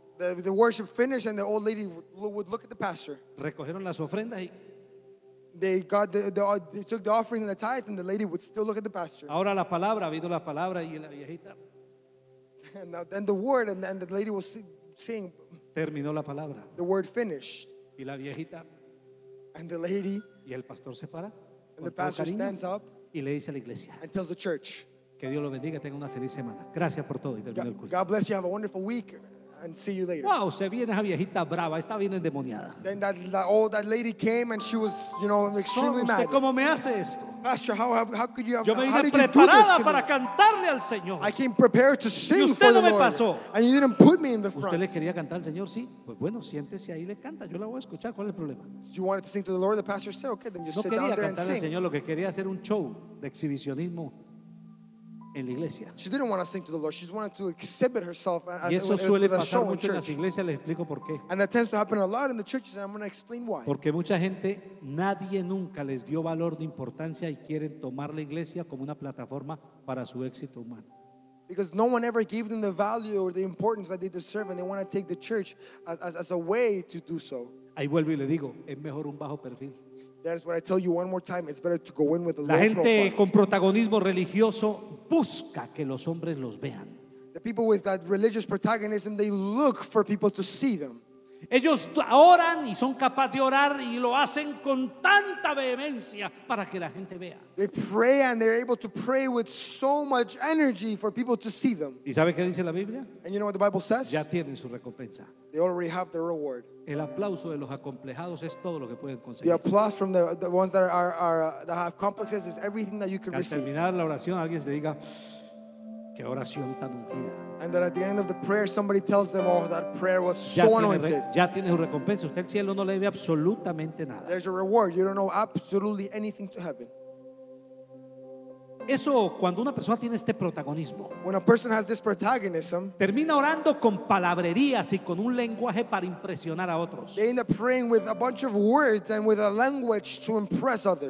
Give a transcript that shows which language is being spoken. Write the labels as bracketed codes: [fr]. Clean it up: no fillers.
[en] The worship finished and the old lady would look at the pastor. [es] Recogieron las ofrendas y [en] they took the offering and the tithe, and the lady would still look at the pastor. [es] Ahora la palabra, vino la palabra y la viejita. [en] And now, then the word, and the lady was saying. [es] Terminó la palabra. [en] The word finished. [es] Y la viejita. [en] And the lady. [es] Y el pastor se para. [en] And the pastor stands up. [es] Y le dice a la iglesia. [en] And tells the church. [es] Que Dios lo bendiga, tenga una feliz semana. Gracias por todo y termino el culto. [en] God bless you, have a wonderful week, and see you later. [es] Wow, se viene esa viejita brava, está bien endemoniada. [en] Then that lady came and she was, you know, extremely mad. [es] ¿Cómo me hace esto? [en] Pastor, how could you have? [es] Yo me vine preparada para cantarle al Señor. [en] I came prepared to sing for the Lord. [es] Y usted no me pasó. [en] And you didn't put me in the front. [es] ¿Usted le quería cantar al Señor? Sí. Pues bueno, siéntese ahí y le canta. Yo la voy a escuchar. ¿Cuál es el problema? [en] You wanted to sing to the Lord, the pastor said, okay, then just [es] no [en] sit down there and sing. [es] No quería cantar al Señor. Lo que quería hacer un show de exhibicionismo. En la iglesia. [en] She didn't want to sing to the Lord. She just wanted to exhibit herself as [es] y eso suele pasar mucho en las iglesias. Le explico por qué. [en] And that tends to happen a lot in the churches, and I'm going to explain why. [es] Porque mucha gente, nadie nunca les dio valor ni importancia y quieren tomar la iglesia como una plataforma para su éxito humano. [en] Because no one ever gave them the value or the importance that they deserve, and they want to take the church as a way to do so. [es] Ahí vuelvo y le digo, es mejor un bajo perfil. [en] That is what I tell you one more time. It's better to go in with a [es] la gente con protagonismo religioso busca que los hombres los vean. [en] The people with that religious protagonism, they look for people to see them. [es] Ellos oran y son capaces de orar y lo hacen con tanta vehemencia para que la gente vea. [en] They pray and they're able to pray with so much energy for people to see them. [es] ¿Y sabe qué dice la Biblia? [en] And you know what the Bible says? [es] Ya tienen su recompensa. [en] They already have their reward. [es] El aplauso de los acomplejados es todo lo que pueden conseguir. [en] The applause from the ones that are that have accomplices is everything that you can receive. [es] Al terminar la oración, alguien se diga, qué oración tan ungida. [en] And that at the end of the prayer, somebody tells them, oh, that prayer was so anointed. [es] Ya tiene su recompensa. Usted al cielo no le debe absolutamente nada. [en] There's a reward. You don't owe absolutely anything to heaven. [es] Eso cuando una persona tiene este protagonismo. [en] When a person has this protagonism, [es] termina orando con palabrerías y con un lenguaje para impresionar a otros. [en] They end up praying with a bunch of words and with a language to impress others.